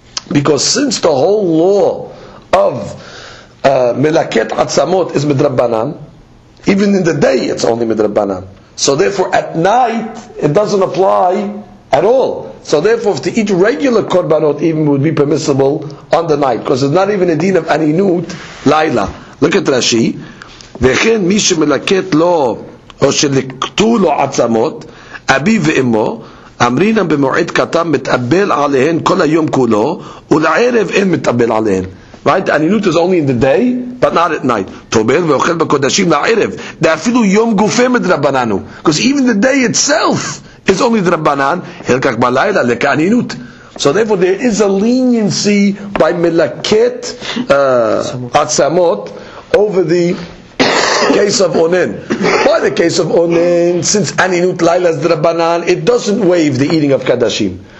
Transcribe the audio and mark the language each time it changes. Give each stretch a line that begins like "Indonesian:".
English: Because since the whole law of melaket atzamot is midrabbanan, even in the day it's only midrabbanan. So therefore at night it doesn't apply at all. So therefore, if to eat regular korbanot even would be permissible on the night, because it's not even a din of aninut laila. Look at Rashi.
Hebrew: וכן מי שמלקט לו או שלקטו לו עצמות אבי ואמו אמרינם במועד קטן מתאבל עליהן כל היום כולו ולערב אין מתאבל עליהן.
English: Right? Aninut is only in the day, but not at night.
Hebrew: Tobel ואוכל בקודשים לערב. ואפילו יום גופה מדרבננו.
English: Because even the day itself is only דרבנן.
Hebrew: הלקח בלילה לכאנינות.
English: So therefore there is a leniency by מלקט עצמות over the case of onen. By the case of onen, since aninut laila is drabanan, it doesn't waive the eating of kadashim.